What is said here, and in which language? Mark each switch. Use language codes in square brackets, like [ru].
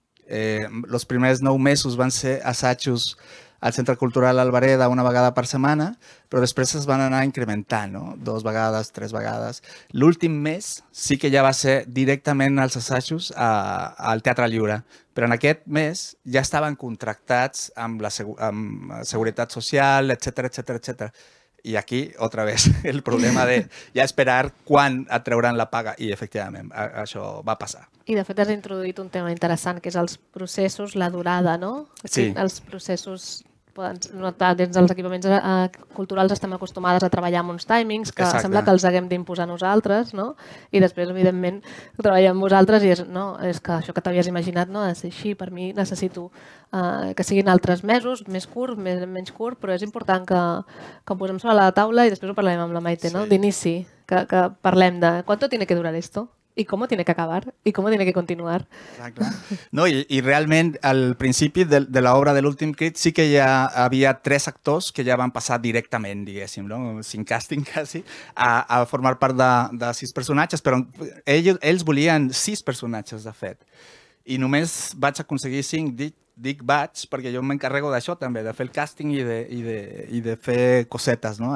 [ca] Els primers 9 mesos van ser assajos al Centre Cultural Albareda una vegada per setmana, però després es van anar incrementant, no? 2 vegades, 3 vegades. L'últim mes sí que ja va ser directament als assajos al Teatre Lliure, però en aquest mes ja estaven contractats amb Seguretat Social, etcètera, etcètera, etcètera. I aquí, [es] otra vez, [ca] el problema de ja esperar quan et treuran la paga. I, efectivament, això va passar. I, de fet, has introduït un tema interessant, que és els processos, la durada, no? Sí. Els processos, dins dels equipaments culturals estem acostumades a treballar amb uns timings que sembla que els haguem d'imposar nosaltres, no? I després, evidentment, treballar amb vosaltres i és, no, és que això que t'havies imaginat no ha de ser així. Per mi necessito que siguin altres mesos, més curt, menys curt, però és important que ho posem sobre la taula i després ho parlarem amb la Maite, sí, no? D'inici, que parlem de quant [es] tiene que durar esto. ¿Y cómo tiene que acabar? ¿Y cómo tiene que continuar? [ca] No, i realment, al principi de l'obra de l'últim crit, sí que ja havia 3 actors que ja van passar directament, diguéssim, no? Sin càsting, quasi, a formar part de 6 personatges, però ells volien 6 personatges, de fet. I només vaig aconseguir 5, dic vaig, perquè jo m'encarrego d'això també, de fer el càsting i de fer cosetes, no?